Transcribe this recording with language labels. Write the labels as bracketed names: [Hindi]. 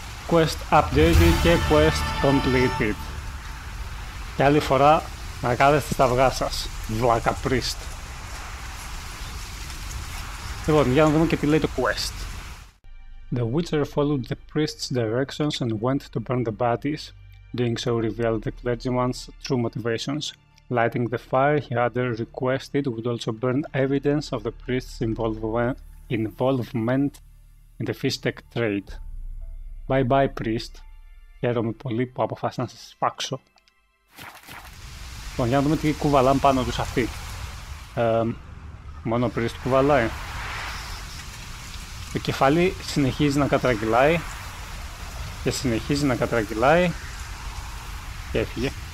[English] Quest updated και quest completed. [Greek] Και άλλη φορά να κάθεστε στα αυγά σας, βλάκα priest. Λοιπόν, για να δούμε και τι λέει το quest. [English] The Witcher followed the priest's directions and went to burn the bodies. Doing so revealed the clergyman's true motivations. Lighting the fire he had requested would also burn evidence of the priest's involvement in the Fistech trade. Bye bye, priest. [Greek] Χαίρομαι πολύ που αποφάσισα να σας σπάξω. Λοιπόν, για να δούμε τι κουβαλάνε πάνω τους αυτοί. Μόνο ο priest κουβαλάει. Το κεφάλι συνεχίζει να κατραγγυλάει. Και συνεχίζει να κατραγγυλάει. Και έφυγε.